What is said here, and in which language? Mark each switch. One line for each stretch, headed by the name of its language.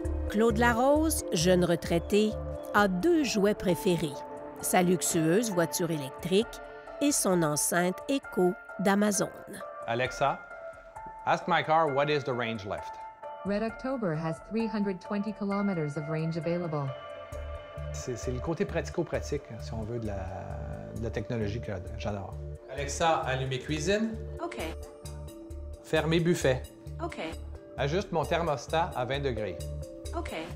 French: Claude Larose, jeune retraité, a deux jouets préférés, sa luxueuse voiture électrique et son enceinte Echo d'Amazon.
English: Alexa, ask my car what is the range left. Red October has 320 kilometers of range available.
French: C'est le côté pratico-pratique, si on veut, de la technologie que j'adore. Alexa, allumez cuisine. OK. Fermez buffet. OK. Ajuste mon thermostat à 20 degrés. OK.